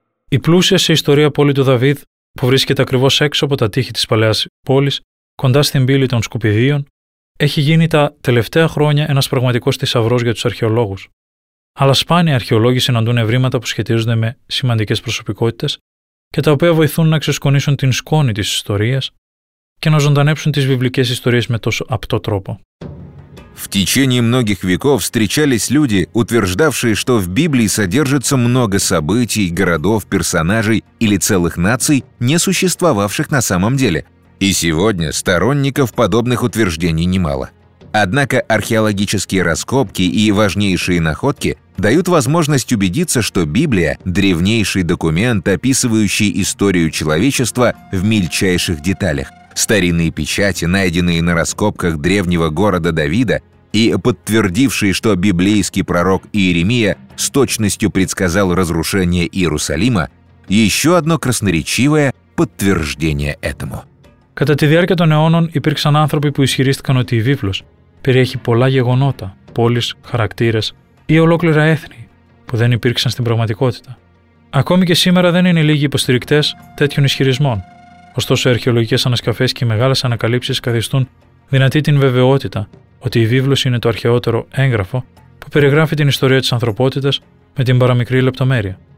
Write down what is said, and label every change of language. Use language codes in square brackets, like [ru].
[el] И плюсия се история поли ту Давид, που βρίσκεται ακριβώς έξω από τα τείχη της παλαιάς πόλης, κοντά στην πύλη των Σκουπιδίων, έχει γίνει τα τελευταία χρόνια ένας πραγματικός θησαυρός για τους αρχαιολόγους. Αλλά σπάνιοι αρχαιολόγοι συναντούν ευρήματα που σχετίζονται με σημαντικές προσωπικότητες και τα οποία βοηθούν να ξεσκονίσουν την σκόνη της ιστορίας και να ζωντανέψουν τις βιβλικές ιστορίες με τόσο απτό τρόπο. [ru] В течение многих веков встречались люди, утверждавшие, что в Библии содержится много событий, городов, персонажей или целых наций, не существовавших на самом деле. И сегодня сторонников подобных утверждений немало. Однако археологические раскопки и важнейшие находки дают возможность убедиться, что Библия – древнейший документ, описывающий историю человечества в мельчайших деталях. Старинные печати, найденные на раскопках древнего города Давида и подтвердившие, что библейский пророк Иеремия с точностью предсказал разрушение Иерусалима – еще одно красноречивое подтверждение этому. [el] Кατά τη διάρκεια των αιώνων υπήρξαν άνθρωποι που ισχυρίστηκαν ότι η Βίβλος περιέχει πολλά γεγονότα, πόλεις, χαρακτήρες ή ολόκληρα έθνη που δεν υπήρξαν στην πραγματικότητα. Ακόμη και σήμερα δεν είναι λίγοι υποστηρικτές τέτοιων ισχυρισμών. Ωστόσο, οι αρχαιολογικές ανασκαφές και οι μεγάλες ανακαλύψεις καθιστούν δυνατή την βεβαιότητα ότι η Βίβλος είναι το αρχαιότερο έγγραφο που περιγράφει την ιστορία της ανθρωπότητας με την παραμικρή λεπτομέρεια.